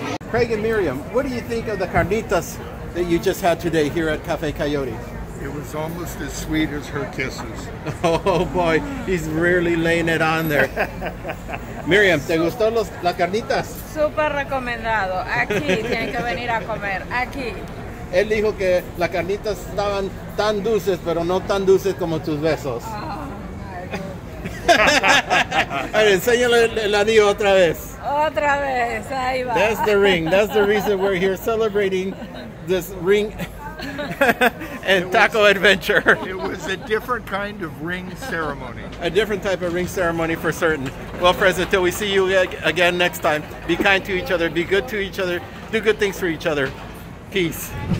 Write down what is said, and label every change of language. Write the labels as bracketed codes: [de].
[en] Craig and Miriam, what do you think of the carnitas that you just had today here at Cafe Coyote? It was almost as sweet as her kisses. Oh boy, he's really laying it on there. [es] Miriam, ¿te gustó las carnitas? Super recomendado. Aquí tienen que venir a comer. Aquí. Él dijo que las carnitas estaban tan dulces, pero no tan dulces como tus besos. [en] Oh, my God. [es] A ver, enséñale el anillo otra vez. Otra vez, ahí va. [en] That's the ring. That's the reason we're here celebrating this ring and taco adventure. It was a different kind of ring ceremony. A different type of ring ceremony for certain. Well, friends, until we see you again next time, be kind to each other, be good to each other, do good things for each other. Peace.